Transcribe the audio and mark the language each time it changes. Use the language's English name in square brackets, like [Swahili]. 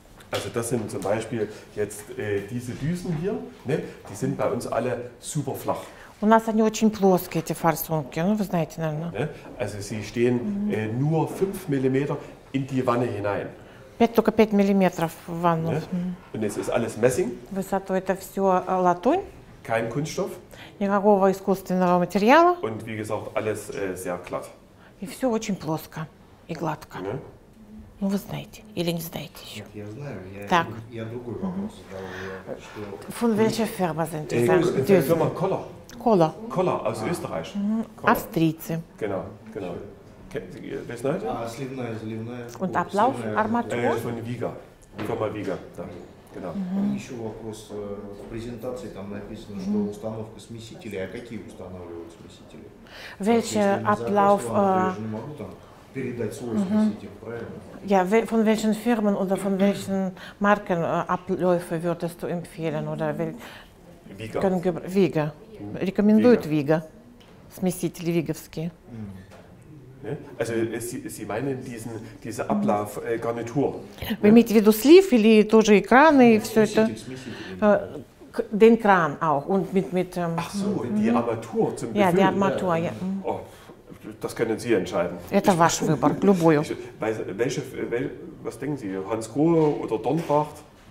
[German] Also das sind zum Beispiel jetzt diese Düsen hier, ne? Die sind bei uns alle super flach. [Russian] У нас они очень плоские, эти форсунки, ну, вы знаете, наверное. [German] Ne? Also sie stehen nur 5 mm in die Wanne hinein. [Russian] Только 5 мм в ванну. [German] Ne? Und es ist alles Messing. [Russian] Высоту это все латунь. [German] Kein Kunststoff. [Russian] Никакого искусственного материала. [German] Und wie gesagt, alles sehr glatt. [Russian] И все очень плоско и гладко. [German] Ne? [Russian] Ну, вы знаете, или не знаете еще. Я знаю, я другой вопрос задал. [German] Von welcher Firma sind die? Die Firma Koller. Koller. Koller aus Österreich. Австрийцы. Genau, genau. Wer ist neu? [Russian] Сливная, заливная. [German] Und Ablauf, Armatur. Von Viga. Firma Viga, да. Genau. [Russian] Еще вопрос. В презентации там написано, что установка смесителей. А какие устанавливают смесители? [German] Welche Ablauf... [Russian] Передать свой [German] Ja, von welchen Firmen oder von welchen Marken Abläufe würdest du empfehlen? Oder Viga. Rekommendiert Viga. [Russian] Смесители Виговские. [German] Also Sie meinen diese Ablaufgarnitur? [Russian] Вы имеете в виду слив или тоже экраны и все это? [German] Den Kran auch. Und mit Ach so, die Armatur zum Befüllen. Ja, die Armatur, ja. Das können Sie entscheiden. [Russian] Это ваш выбор, любую. [German] Was denken Sie, Hans Grohe oder Dornbracht?